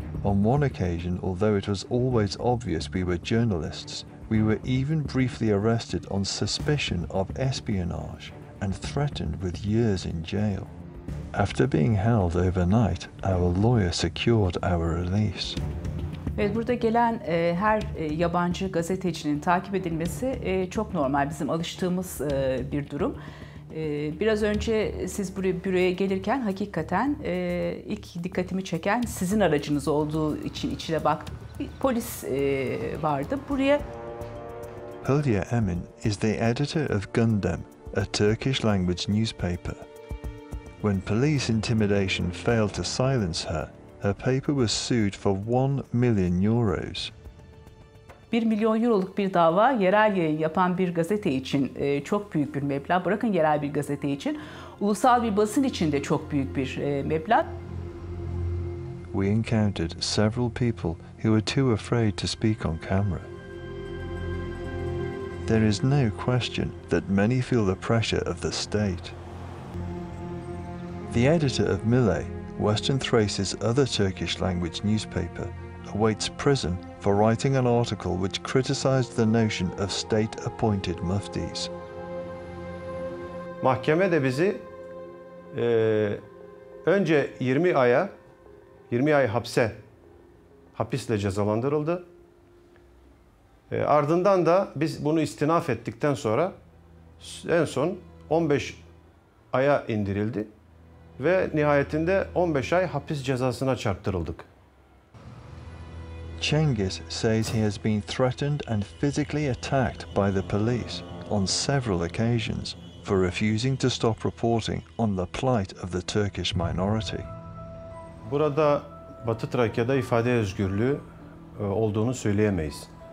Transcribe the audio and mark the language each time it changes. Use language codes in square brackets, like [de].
[en] On one occasion, although it was always obvious we were journalists, we were even briefly arrested on suspicion of espionage and threatened with years in jail. After being held overnight, our lawyer secured our release. [tr] Evet, burada gelen her yabancı gazetecinin takip edilmesi çok normal, bizim alıştığımız bir durum. Biraz önce siz büroya gelirken hakikaten ilk dikkatimi çeken sizin aracınız olduğu için içine baktım. Bir polis vardı buraya. [en] Hülya Emin is the editor of Gündem, a Turkish language newspaper. When police intimidation failed to silence her, her paper was sued for 1 million euros. [tr] 1 milyon euroluk bir dava yerel yayın yapan bir gazete için çok büyük bir meblağ. Bırakın yerel bir gazete için, ulusal bir basın için de çok büyük bir meblağ. [en] We encountered several people who were too afraid to speak on camera. There is no question that many feel the pressure of the state. The editor of Mille, Western Thrace's other Turkish language newspaper, awaits prison for writing an article which criticized the notion of state-appointed muftis. [tr] Mahkeme de bizi önce 20 aya 20 ay hapse hapisle cezalandırıldı. Ardından da biz bunu istinaf ettikten sonra en son 15 aya indirildi ve nihayetinde 15 ay hapis cezasına çarptırıldık. [en] Cengiz says he has been threatened and physically attacked by the police on several occasions for refusing to stop reporting on the plight of the Turkish minority. [tr] Burada Batı Trakya'da ifade özgürlüğü olduğunu söyleyemeyiz.